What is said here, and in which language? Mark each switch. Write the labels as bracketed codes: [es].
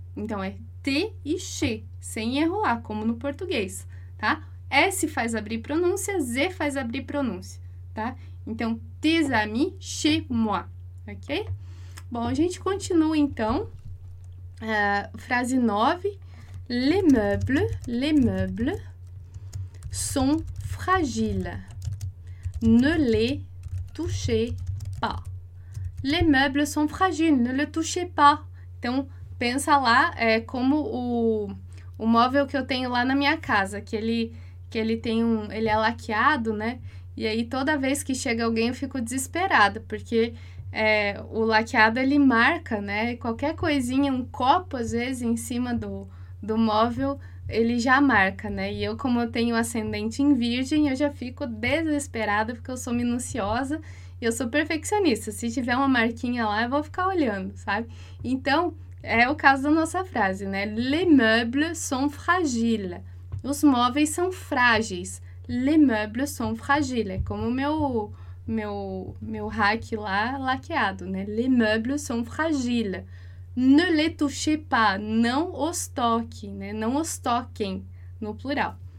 [pt] Então, é T e X, sem erro lá, como no português, tá? S faz abrir pronúncia, Z faz abrir pronúncia, tá? [fr] Então, tes amis chez moi, ok? [pt] Bom, a gente continua então. Frase 9. [fr] Les meubles sont fragiles. Ne les touchez pas. Les meubles sont fragiles, ne les touchez pas. [pt] Então, pensa lá, como o móvel que eu tenho lá na minha casa, ele é laqueado, né? E aí toda vez que chega alguém eu fico desesperada, porque o laqueado ele marca, né? Qualquer coisinha, um copo às vezes em cima do móvel, ele já marca, né? E eu, como eu tenho ascendente em virgem, eu já fico desesperada porque eu sou minuciosa e eu sou perfeccionista. Se tiver uma marquinha lá, eu vou ficar olhando, sabe? Então, é o caso da nossa frase, né? [fr] Les meubles sont fragiles. [pt] Os móveis são frágeis. [fr] Les meubles sont fragiles. [pt] É como meu rack lá laqueado, né? [fr] Les meubles sont fragiles. Ne les touchez pas. [pt] Não os toque, né? Não os toquem no plural.